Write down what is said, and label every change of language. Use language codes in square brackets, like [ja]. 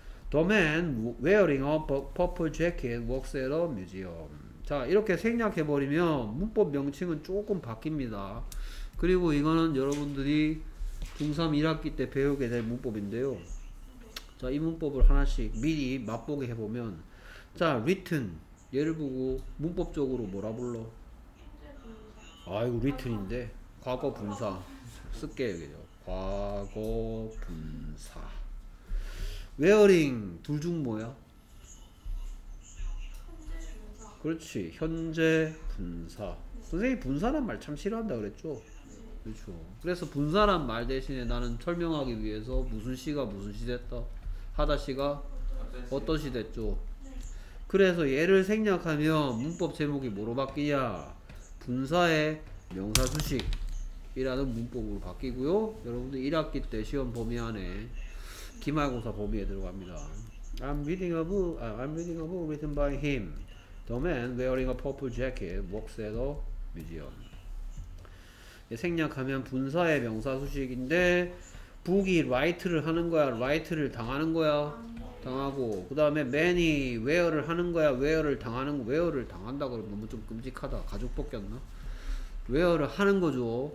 [en] The man wearing a purple jacket works at a museum. [ko] 자 이렇게 생략해버리면 문법 명칭은 조금 바뀝니다. 그리고 이거는 여러분들이 중3 1학기 때 배우게 될 문법인데요. 자, 이 문법을 하나씩 미리 맛보게 해보면 자, written 얘를 보고 문법적으로 뭐라 불러? 아이고, written인데 과거 분사 쓸게요. 여기죠. 과거 분사 wearing 둘 중 뭐야? 그렇지, 현재 분사. 선생님 분사란 말 참 싫어한다 그랬죠? 그렇죠. 그래서 분사란 말 대신에 나는 설명하기 위해서 무슨 시가 무슨 시 됐다 하다 시가 어떤 시 됐죠. 그래서 얘를 생략하면 문법 제목이 뭐로 바뀌냐, 분사의 명사수식이라는 문법으로 바뀌고요. 여러분들 1학기 때 시험 범위 안에 기말고사 범위에 들어갑니다. [en] I'm reading a book written by him. The man wearing a purple jacket walks at a museum. [ko] 생략하면 분사의 명사수식인데 북이 라이트를 하는 거야? 라이트를 당하는 거야? 당하고 그 다음에 맨이 웨어를 하는 거야? 웨어를 당하는 거. 웨어를 당한다 그러면 너무 좀 끔찍하다. 가족 벗겼나? 웨어를 하는 거죠.